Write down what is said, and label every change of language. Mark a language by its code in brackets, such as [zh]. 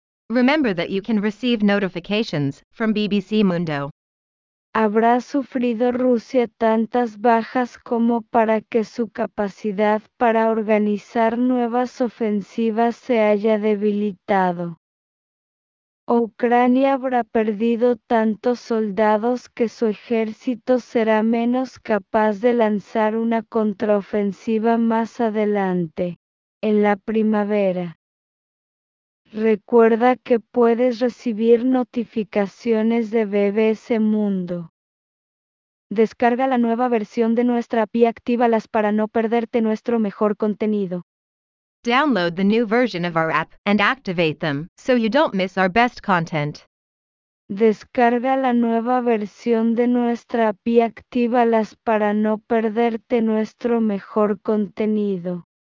[en] Remember that you can receive notifications from BBC Mundo. [es] ¿Habrá sufrido Rusia tantas bajas como para que su capacidad para organizar nuevas ofensivas se haya debilitado? ¿O Ucrania habrá perdido tantos soldados que su ejército será menos capaz de lanzar una contraofensiva más adelante, en la primavera? Recuerda que puedes recibir notificaciones de BBC Mundo. Descarga la nueva versión de nuestra app y actívalas para no perderte nuestro mejor contenido. [en] Download the new version of our app and activate them so you don't miss our best content. [es] Descarga la nueva versión de nuestra app y actívalas para no perderte nuestro mejor contenido.